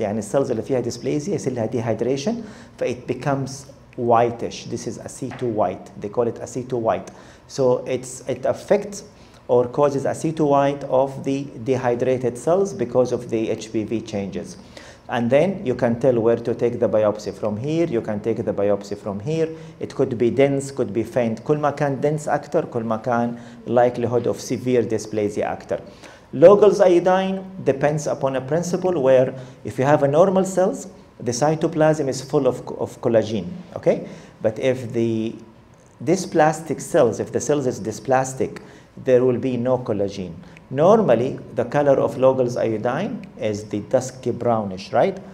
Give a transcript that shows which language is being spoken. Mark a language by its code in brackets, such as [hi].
[ar] يعني [en] cells [ar] اللي فيها [en] dysplasia [ar] يصير لها [en] dehydration, it becomes whitish. This is aceto white. They call it aceto white. So it affects or causes aceto white of the dehydrated cells because of the HPV changes. And then you can tell where to take the biopsy from here. You can take the biopsy from here. It could be dense, could be faint. [ar] كل ما كان dense أكتر, كل ما كان [en] likelihood of severe dysplasia [ar] أكتر. [en] Logel's iodine depends upon a principle where if you have a normal cells, the cytoplasm is full of collagen, okay? But if the dysplastic cells, if the cells is dysplastic, there will be no collagen. Normally, the color of Logel's iodine is the dusky brownish, right?